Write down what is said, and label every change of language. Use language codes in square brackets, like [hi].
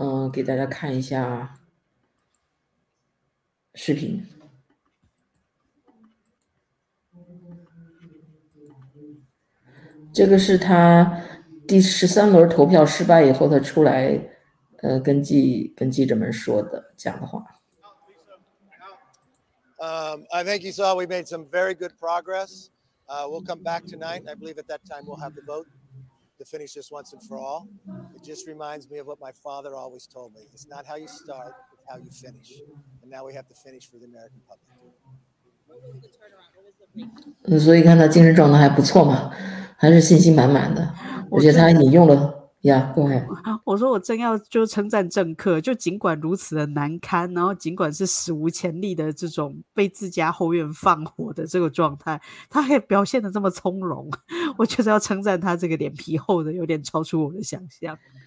[zh] 给大家看一下视频。这个是他第13轮投票失败以后，他出来，跟记者们说的讲的话。 [en] I think you saw we made some very good progress. We'll come back tonight. I believe at that time we'll have the vote to finish this once and for all. It just reminds me of what my father always told me: it's not how you start, it's how you finish. And now we have to finish for the American public. [zh] 所以看他精神状态还不错嘛，还是信心满满的。我觉得他引用了呀，我说我正要就称赞政客，就尽管如此的难堪，然后尽管是史无前例的这种被自家后院放火的这个状态，他还表现得这么从容，我觉得要称赞他这个脸皮厚的有点超出我的想象。